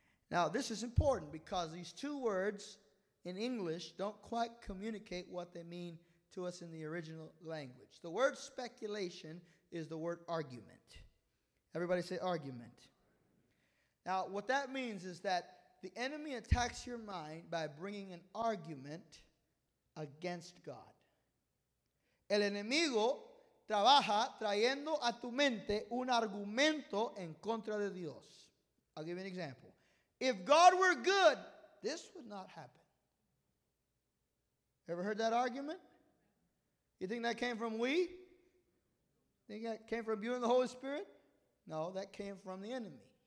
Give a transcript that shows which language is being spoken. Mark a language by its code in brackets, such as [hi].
[en] Now, this is important because these two words in English don't quite communicate what they mean to us in the original language. The word speculation is the word argument. Everybody say argument. Now, what that means is that the enemy attacks your mind by bringing an argument against God. [es] El enemigo trabaja trayendo a tu mente un argumento en contra de Dios. [en] I'll give you an example. If God were good, this would not happen. Ever heard that argument? You think that came from we? Think that came from you and the Holy Spirit? No, that came from the enemy.